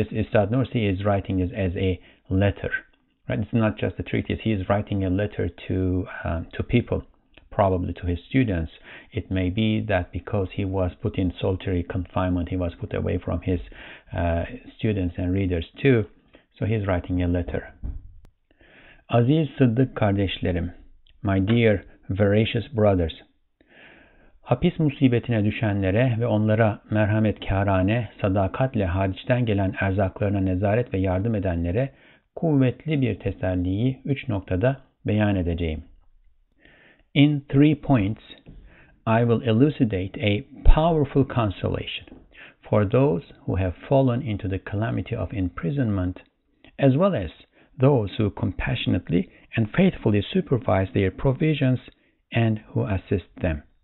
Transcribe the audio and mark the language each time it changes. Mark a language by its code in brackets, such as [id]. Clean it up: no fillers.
[en] This Ustad Nursi is writing this as a letter, right? It's not just a treatise. He is writing a letter to people, probably to his students. It may be that because he was put in solitary confinement, he was put away from his students and readers too. So he's writing a letter. [tr] Aziz Sıddık kardeşlerim, [en] my dear veracious brothers, [tr] hapis musibetine düşenlere ve onlara merhametkârâne, sadakatle hariçten gelen erzaklarına nezaret ve yardım edenlere, kuvvetli bir teselliyi 3 noktada beyan edeceğim. [en] In 3 points, I will elucidate a powerful consolation for those who have fallen into the calamity of imprisonment, as well as those who compassionately and faithfully supervise their provisions and who assist them.